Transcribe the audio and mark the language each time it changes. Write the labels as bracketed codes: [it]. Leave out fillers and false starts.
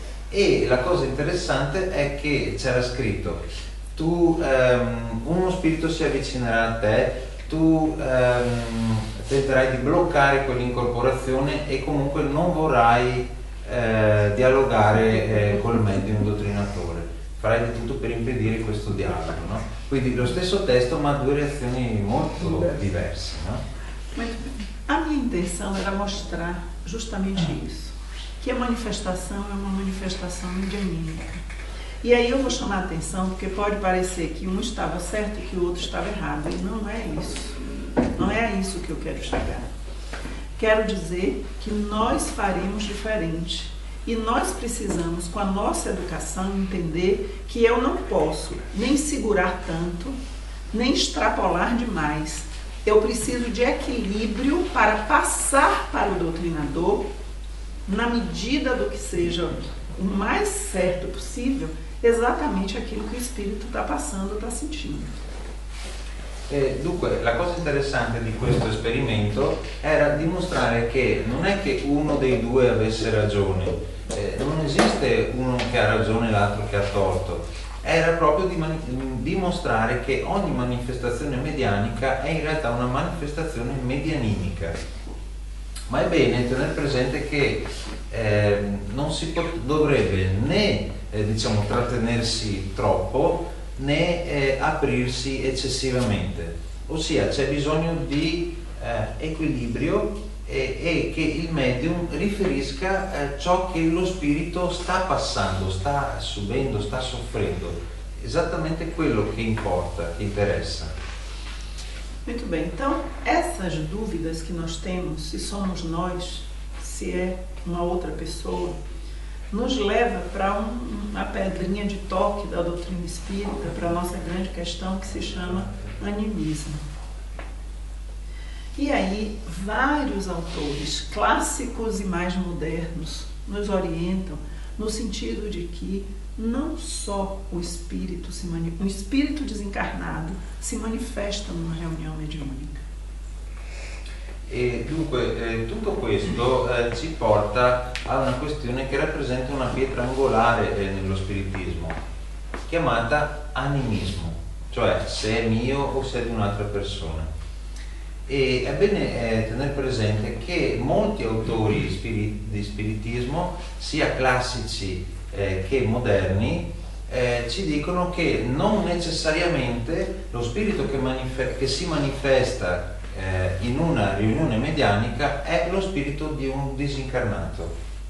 [it] E la cosa interessante è che c'era scritto: tu uno spirito si avvicinerà a te, tu tenterai di bloccare quell'incorporazione e comunque non vorrai dialogare col medium dottrinatore, farai di tutto per impedire questo dialogo, no? Quindi lo stesso testo ma due reazioni molto diverse, no? A mia intenzione era [pt] mostrar justamente isso, che a manifestação é uma manifestação indianica. E aí eu vou chamar a atenção, porque pode parecer que um estava certo e que o outro estava errado, e não é isso. Não é isso que eu quero chegar. Quero dizer que nós faremos diferente. E nós precisamos, com a nossa educação, entender que eu não posso nem segurar tanto, nem extrapolar demais. Eu preciso de equilíbrio para passar para o doutrinador, na medida do que seja o mais certo possível, exatamente aquilo que o espírito está passando, está sentindo. [it] Dunque, la cosa interessante di questo esperimento era dimostrare che non è che uno dei due avesse ragione, non esiste uno che ha ragione e l'altro che ha torto, era proprio dimostrare che ogni manifestazione medianica è in realtà una manifestazione medianimica. Ma è bene tenere presente che non si dovrebbe né diciamo trattenersi troppo né aprirsi eccessivamente, ossia c'è bisogno di equilibrio e che il medium riferisca ciò che lo spirito sta passando, sta subendo, sta soffrendo, esattamente quello che importa, che interessa. [pt] Muito bem, então essas dúvidas que nós temos, se somos nós, se é uma outra pessoa, nos leva para uma pedrinha de toque da doutrina espírita, para a nossa grande questão que se chama animismo. E aí, vários autores clássicos e mais modernos nos orientam no sentido de que não só o espírito desencarnado se manifesta numa reunião mediúnica. [it] Dunque, tutto questo ci porta a una questione che rappresenta una pietra angolare nello spiritismo, chiamata animismo, cioè se è mio o se è di un'altra persona. E è bene tenere presente che molti autori di spiritismo, sia classici che moderni, ci dicono che non necessariamente lo spirito che si manifesta in una riunione medianica è lo spirito di un disincarnato.